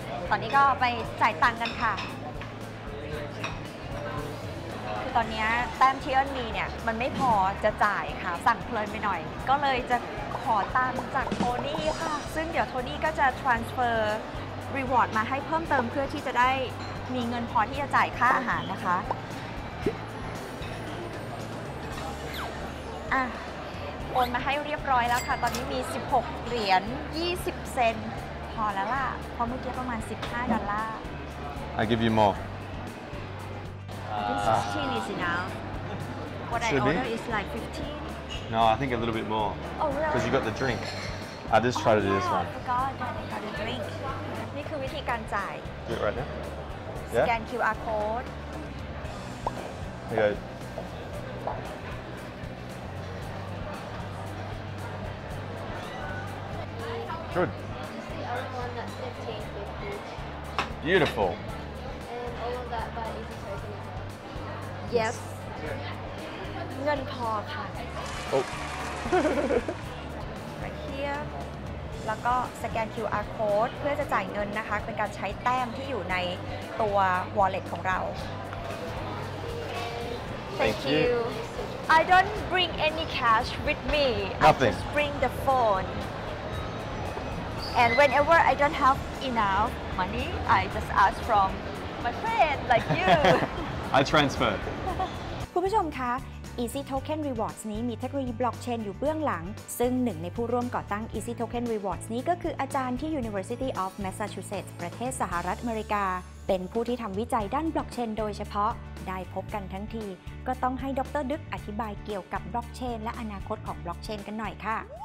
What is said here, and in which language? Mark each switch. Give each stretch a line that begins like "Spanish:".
Thai: ตอนนี้ก็ไปจ่ายตังค์กันค่ะคือตอนนี้แต้มที่เอิ้นมีเนี่ยมันไม่พอจะจ่ายค่ะสั่งเพลินไปหน่อยก็เลยจะขอตังค์จากโทนี่ค่ะซึ่งเดี๋ยวโทนี่ก็จะ transfer reward มาให้เพิ่มเติมเพื่อที่จะได้มีเงินพอที่จะจ่ายค่าอาหารนะคะ อ่ะโอนมาให้เรียบร้อยแล้วค่ะตอนนี้มี16เหรียญ20เซนต์พอแล้วล่ะเพราะเมื่อกี้ประมาณ15ดอลลาร์
English: I give you more This is cheap now What I order is like 15 No I think a little bit more Oh really? Because you got the drink I just try to do this one I forgot I got a drink
Thai: นี่คือวิธีการจ่าย ดู ไ ว้นะ
English: Scan QR code Here you goGood. You see, $15.50. Beautiful. And all of that by easy token. Yes.
Thai: เงินพอค่ะ
English: Oh. right here.
Thai: แล้วก็สแกน QR code เพื่อจะจ่ายเงินนะคะเป็นการใช้แต้มที่อยู่ในตัว wallet ของเรา
English: Thank you. I don't bring any cash with me. Nothing. I just bring the phone. And whenever I don't have enough money, I just ask from my friend like you. I transfer.
Thai: คุณผู้ชมคะ Easy Token Rewards นี้มีเทคโนโลยีบล็อกเชนอยู่เบื้องหลังซึ่งหนึ่งในผู้ร่วมก่อตั้ง Easy Token Rewards นี้ก็คืออาจารย์ที่ University of Massachusetts ประเทศสหรัฐอเมริกาเป็นผู้ที่ทำวิจัยด้านบล็อกเชนโดยเฉพาะได้พบกันทั้งทีก็ต้องให้ดร.ดึกอธิบายเกี่ยวกับบล็อกเชนและอนาคตของบล็อกเชนกันหน่อยค่ะ